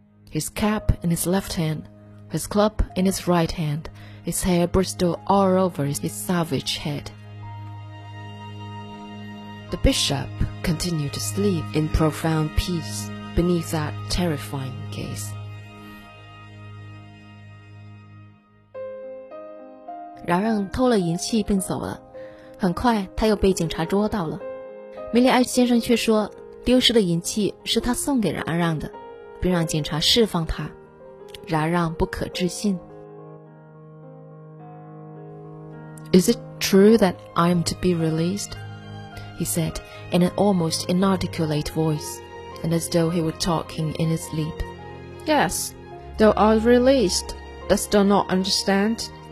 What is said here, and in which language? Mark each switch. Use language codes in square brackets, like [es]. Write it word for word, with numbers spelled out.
[en] His cap in his left hand, his club in his right hand, his hair bristled all over his savage head. The bishop continued to sleep in profound peace beneath that terrifying gaze. [zh] 冉阿让偷了银器并走了，很快他又被警察捉到了。米里埃先生却说，丢失的银器是他送给冉阿让的，并让警察释放他。冉阿让不可置信。 [en] Is it true that I am to be released? He said in an almost inarticulate voice, and as though he were talking in his sleep. Yes, thou art released. Dost thou not understand?